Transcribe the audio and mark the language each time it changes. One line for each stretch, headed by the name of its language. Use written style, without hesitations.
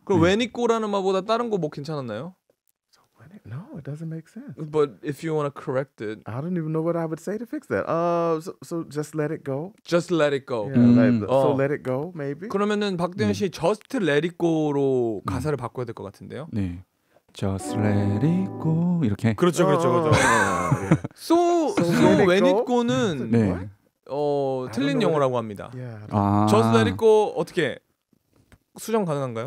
Korean: 그럼 네.
English: when it go
Korean: 라는 말보다 다른 거 뭐 괜찮았나요?
English: So when it no, it doesn't make sense. But if you want to correct it, I don't even know what I would say to fix that. So just let it go. Just let it go. Yeah, so let it go, maybe.
Korean: 그러면은 박대현 씨
English: just let it go
Korean: 로 가사를 바꿔야 될 것 같은데요? 네.
English: Just let it go 이렇게.
Korean: 그렇죠, 그렇죠, 그렇죠.
English: So when it go
Korean: 는 네. 틀린 영어라고 합니다.
English: Yeah,
Korean: 아.
English: Just let it go
Korean: 어떻게 수정 가능한가요?